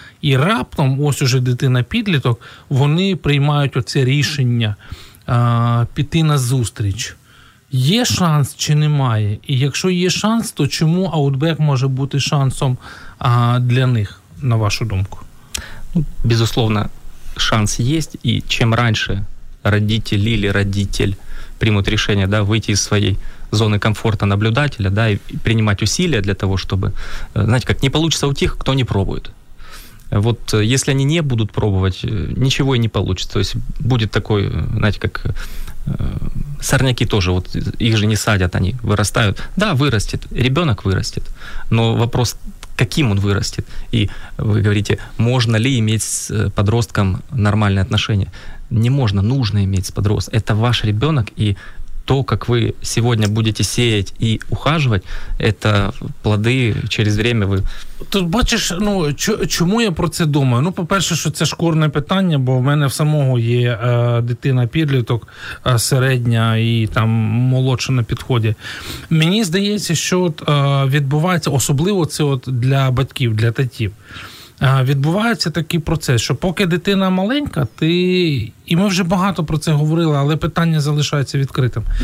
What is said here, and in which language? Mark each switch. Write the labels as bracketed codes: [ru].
[uk] І раптом, ось уже дитина-підліток, вони приймають оце рішення піти на зустріч. Є шанс чи немає? І якщо є шанс, то чому Outback може бути шансом для них, на вашу думку? [ru] Безусловно, шанс є. [uk] І чим раніше [ru] родитель или родитель примут рішення, да, [uk] вийти з своєї [ru] зони комфорта наблюдателя, да, и принимать усилия для того, чтобы, знаете, как не получится у тех, кто не пробует. Вот если они не будут пробовать, ничего и не получится. То есть будет такой, знаете, как сорняки тоже, вот их же не садят, они вырастают. Да, вырастет, ребенок вырастет, но вопрос, каким он вырастет. И вы говорите, можно ли иметь с подростком нормальные отношения? Не можно, нужно иметь с подростком. Это ваш ребенок, и то, как вы сегодня будете сеять и ухаживать, это плоды через время вы... [uk] Тут бачиш, ну, чому я про це думаю? Ну, по-перше, що це шкурне питання, бо в мене в самого є дитина-підліток середня і там молодша на підході. Мені здається, що от, відбувається, особливо це от для батьків, для татів, відбувається такий процес, що поки дитина маленька, ти, і ми вже багато про це говорили, але питання залишається відкритим.